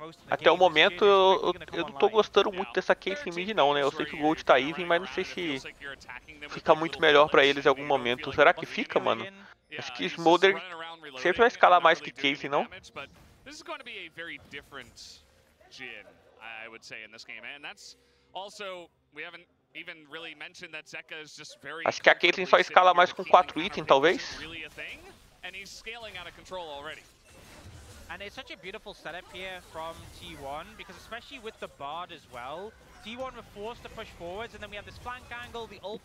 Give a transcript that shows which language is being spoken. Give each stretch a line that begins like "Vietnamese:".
Portuguese: Até o momento, eu não tô gostando muito dessa case em mid não, né? Eu sei que o Gold tá even, mas não sei se fica muito melhor pra eles em algum momento. Será que fica, mano? Acho que Smolder sempre vai escalar mais que case, não?
English: This is going to be a very different Jhin, I would say, in this game. And that's also, we haven't even really mentioned that Zekka is just very...
Portuguese: Acho que a Caitlyn só escala mais com 4 itens, talvez.
English: Really a thing, and he's scaling out of control already. And it's such a beautiful setup here from T1, because especially with the Bard as well, T1 were forced to push forwards, and then we have this flank angle, the ult...